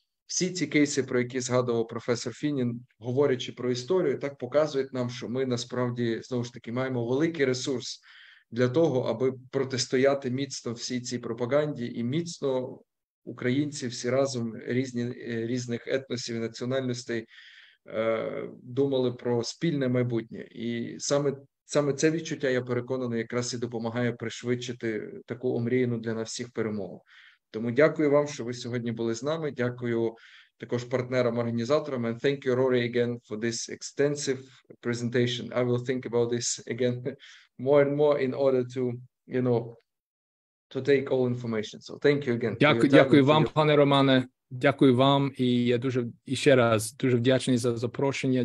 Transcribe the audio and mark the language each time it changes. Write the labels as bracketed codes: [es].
[uk] Всі ці кейси, про які згадував професор Фіннін, говорячи про історію, так показують нам, що ми насправді, знову ж таки, маємо великий ресурс для того, аби протистояти міцно всій цій пропаганді і міцно українці всі разом різних етносів і національностей думали про спільне майбутнє. І саме це відчуття, я переконаний, якраз і допомагає пришвидшити таку омріяну для нас всіх перемогу. Тому дякую вам, що ви сьогодні були з нами. Дякую також партнерам-організаторам. [en] And thank you, Rory, again for this extensive presentation. I will think about this again more and more in order to, you know, to take all information. So thank you again. [uk] Дякую вам, пане Романе. Дякую вам. І я дуже, і ще раз, дуже вдячний за запрошення.